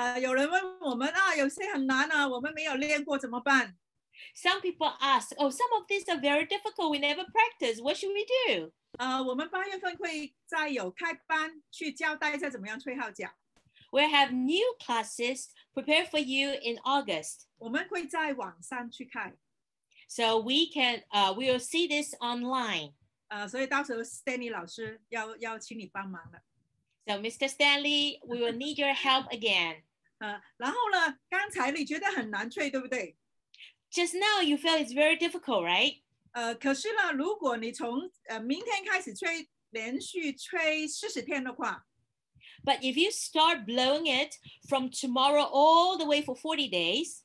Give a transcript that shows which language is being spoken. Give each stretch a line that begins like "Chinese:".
Chinese: 有人问我们啊，有些很难啊，我们没有练过怎么办？
English: Some people ask, oh, some of these are very difficult, we never practice, what should we do?
Chinese: 我们8月份会再有开班去教大家怎么样吹号角。
English: We'll have new classes prepared for you in August.
Chinese: 我们会在网上去看。
English: So we can, we will see this online.
Chinese: 所以到时候Stanley老师要请你帮忙了。
English: So Mr. Stanley, we will need your help again.
Chinese: 然后呢, 刚才你觉得很难吹, 对不对?
English: Just now you feel it's very difficult, right?
Chinese: 可是呢, 如果你从, 明天开始吹, 连续吹40天的话,
English: But if you start blowing it from tomorrow all the way for 40 days,